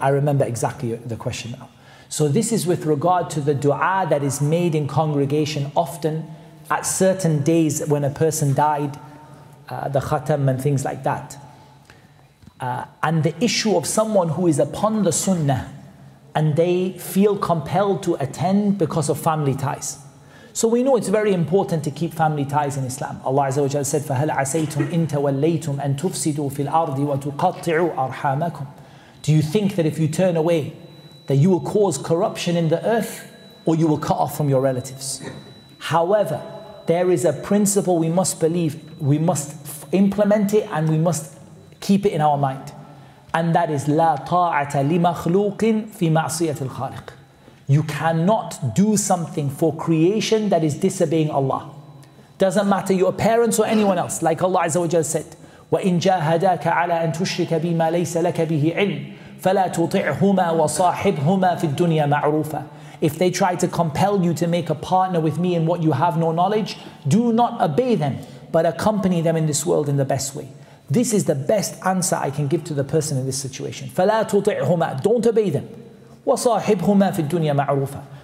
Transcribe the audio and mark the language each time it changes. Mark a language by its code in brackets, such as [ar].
[en] I remember exactly the question now. So this is with regard to the dua that is made in congregation often at certain days when a person died, the khatam and things like that. And the issue of someone who is upon the sunnah and they feel compelled to attend because of family ties. So we know it's very important to keep family ties in Islam. Allah Azza wa Jalla said, [ar] فَهَلْ عَسَيْتُمْ إِن تَوَلَّيْتُمْ أَن تُفْسِدُوا فِي الْأَرْضِ وَتُقَطِّعُوا أَرْحَامَكُمْ. [en] Do you think that if you turn away, that you will cause corruption in the earth, or you will cut off from your relatives? However, there is a principle we must believe, we must implement it, and we must keep it in our mind. And that is [ar] لا طاعة لمخلوق في معصية الخالق. [en] You cannot do something for creation that is disobeying Allah. Doesn't matter your parents or anyone else. Like Allah Azza wa Jalla said, [ar] وَإِنْ جَاهَدَاكَ عَلَىٰ أَن تُشْرِكَ بِمَا لَيْسَ لَكَ بِهِ عِلْمٍ فَلَا تُطِعْهُمَا وَصَاحِبْهُمَا فِي الدُّنْيَا مَعْرُوفًا. [en] If they try to compel you to make a partner with me in what you have no knowledge, do not obey them, but accompany them in this world in the best way. This is the best answer I can give to the person in this situation. [ar] فَلَا تُطِعْهُمَا. [en] Don't obey them. [ar] وَصَاحِبْهُمَا فِي الدُّنْيَا مَعْرُوفًا.